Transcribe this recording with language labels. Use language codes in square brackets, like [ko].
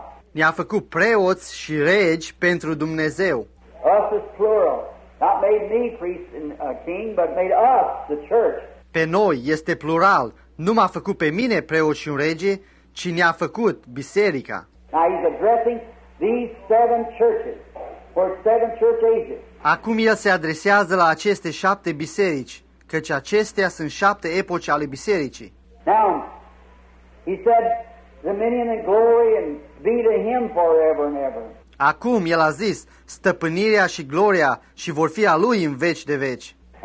[ro] Ne-a făcut preoți și regi pentru Dumnezeu. [en] Us is plural. Not made me priest and king, but made us, the church. [ro] Pe noi este plural. Nu m-a făcut pe mine preot și un rege, ci ne-a făcut biserica. [en] Now he's addressing these seven churches for seven church ages. [ro] Acum el se adresează la aceste șapte biserici, căci acestea sunt șapte epoci ale bisericii. [en] Now, he said, dominion and glory and be to him forever and ever. [ro] Acum, el a zis, stăpânirea și gloria și vor fi a lui în veci de veci.